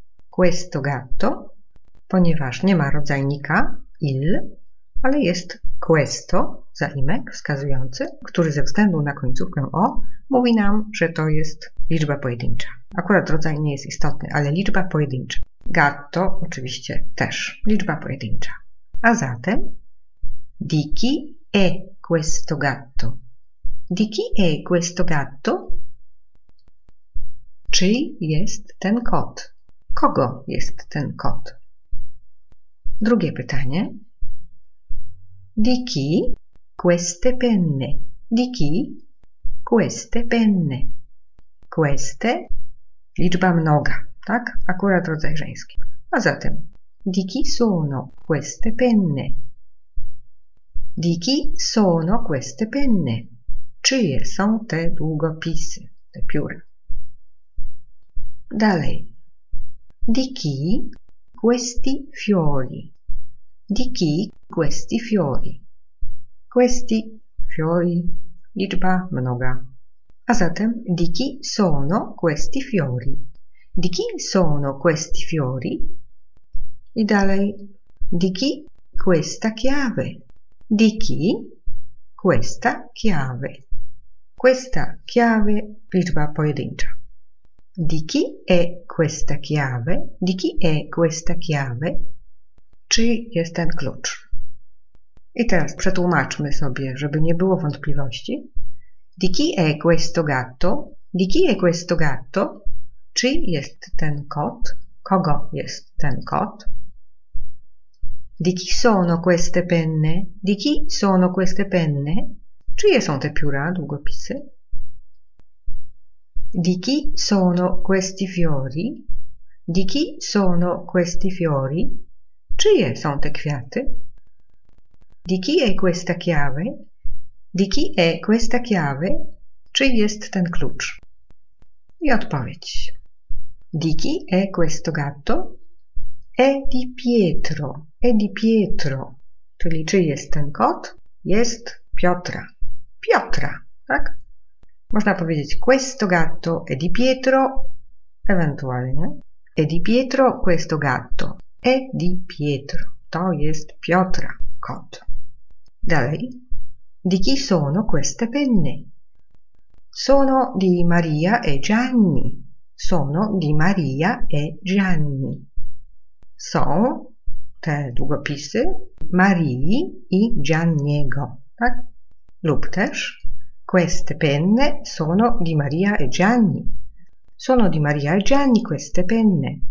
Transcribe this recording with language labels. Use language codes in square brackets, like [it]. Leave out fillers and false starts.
[it] Questo gatto, [pl] ponieważ nie ma rodzajnika il, ale jest [it] questo, [pl] zaimek wskazujący, który ze względu na końcówkę o mówi nam, że to jest liczba pojedyncza. Akurat rodzaj nie jest istotny, ale liczba pojedyncza. Gatto oczywiście też liczba pojedyncza. A zatem [it] di chi è questo gatto? Di chi è questo gatto? [pl] Czy jest ten kot? Kogo jest ten kot? Drugie pytanie. [it] Di chi queste penne? Di chi queste penne? Queste, [pl] liczba mnoga, tak? Akurat rodzaj żeński. A zatem, [it] di chi sono queste penne? Di chi sono queste penne? [pl] Czyje są te długopisy, te pióra? Dalej. [it] Di chi questi fiori? Di chi questi fiori? Questi fiori, [pl] liczba mnoga. [it] A zatem, di chi sono questi fiori? Di chi sono questi fiori? [pl] I dalej, [it] di chi questa chiave? Di chi questa chiave? Questa chiave, [pl] liczba pojedyncza. [it] Di chi è questa chiave? Di chi è questa chiave? [pl] Czy jest ten klucz? I teraz przetłumaczmy sobie, żeby nie było wątpliwości. [it] Di chi è questo gatto? Di chi è questo gatto? [pl] Czy jest ten kot? Kogo jest ten kot? [it] Di chi sono queste penne? Di chi sono queste penne? [pl] Czyje są te pióra, długopisy? [it] Di chi sono questi fiori? Di chi sono questi fiori? [pl] Czyje są te kwiaty? [it] Di chi è questa chiave? Di chi è questa chiave? [pl] Czy jest ten klucz? I odpowiedź. [it] Di chi è questo gatto? È di Pietro. È di Pietro. [pl] Czyli czy jest ten kot? Jest Piotra. Piotra, tak? Można powiedzieć [it] questo gatto è di Pietro. [pl] Ewentualnie. [it] È di Pietro questo gatto. È di Pietro. [pl] To jest Piotra kot. Dalej. [it] Di chi sono queste penne? Sono di Maria e Gianni. Sono di Maria e Gianni. [pl] Są, te długopisy Marii i Gianniego, tak? Lub też [it] queste penne sono di Maria e Gianni. Sono di Maria e Gianni queste penne.